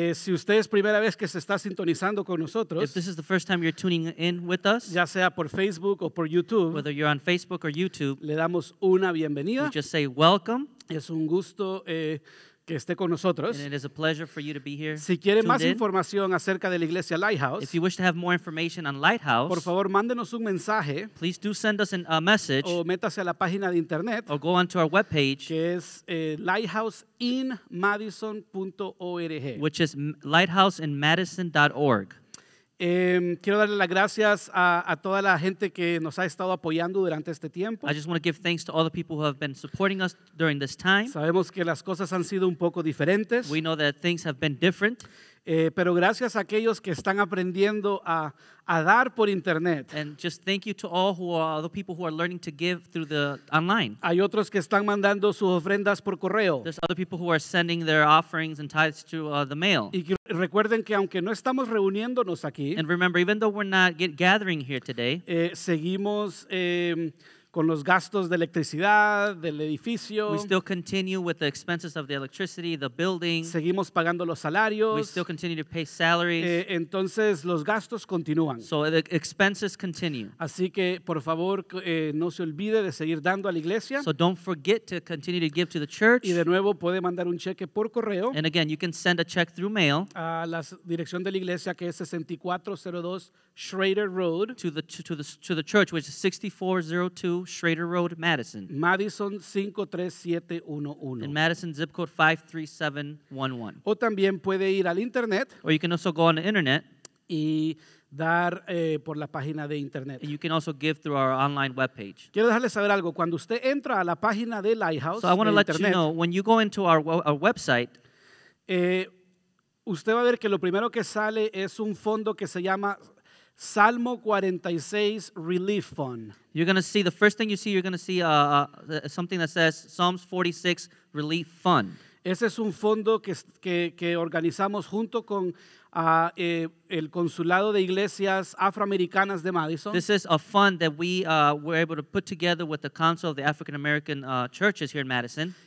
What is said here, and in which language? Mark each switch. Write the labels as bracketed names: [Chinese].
[Spanish] Si usted es primera vez que se está sintonizando con nosotros. [English] If this is the first time you're tuning in with us. [Spanish] Ya sea por Facebook o por YouTube. [English] Whether you're on Facebook or YouTube. [Spanish] Le damos una bienvenida. [English] We just say welcome. [Spanish] Es un gusto... que esté con nosotros. [English] And it is a pleasure for you to be here. [Spanish] Si quiere más información acerca de la iglesia Lighthouse, [English] if you wish to have more information on Lighthouse, [Spanish] por favor, mándenos un mensaje. [English] Please do send us a message. [Spanish] O métase a la página de internet. [English] Or go onto our webpage. [Spanish] Que es lighthouseinmadison.org. [English] Which is lighthouseinmadison.org. [Spanish] Quiero darle las gracias a toda la gente que nos ha estado apoyando durante este tiempo. [English] I just want to give thanks to all the people who have been supporting us during this time. [Spanish] Sabemos que las cosas han sido un poco diferentes. [English] We know that things have been different. [Spanish] Pero gracias a aquellos que están aprendiendo a dar por internet. [English] And just thank you to all who are the people who are learning to give through the online. [Spanish] Hay otros que están mandando sus ofrendas por correo. [English] There's other people who are sending their offerings and tithes to the mail. [Spanish] Y recuerden que aunque no estamos reuniéndonos aquí, [English] and remember, even though we're not gathering here today, [Spanish] seguimos con los gastos de electricidad, del edificio. [English] We still continue with the expenses of the electricity, the building. [Spanish] Seguimos pagando los salarios. [English] We still continue to pay salaries. [Spanish] Entonces, los gastos continúan. [English] So the expenses continue. [Spanish] Así que, por favor, no se olvide de seguir dando a la iglesia. [English] So don't forget to continue to give to the church. [Spanish] Y de nuevo, puede mandar un cheque por correo. [English] And again, you can send a check through mail. [Spanish] A la dirección de la iglesia, que es 6402 Schrader Road. [English] To the church, which is 6402 Schrader Road, Madison. [Spanish] Madison 53711. [English] In Madison, zip code 53711. [Spanish] O también puede ir al internet. [English] Or you can also go on the internet. [Spanish] Y dar por la página de internet. [English] And you can also give through our online webpage. [Spanish] Quiero dejarles saber algo. Cuando usted entra a la página de Lighthouse, [English] so I want to let [Spanish] internet, [English] you know, when you go into our website, [Spanish] usted va a ver que lo primero que sale es un fondo que se llama... [English] Salmo 46 Relief Fund. You're going to see, the first thing you see, you're going to see something that says Psalms 46 Relief Fund. [Spanish] Ese es un fondo que organizamos junto con el Consulado de Iglesias Afroamericanas de Madison. [English] This is a fund that we were able to put together with the Council of the African American Churches here in Madison.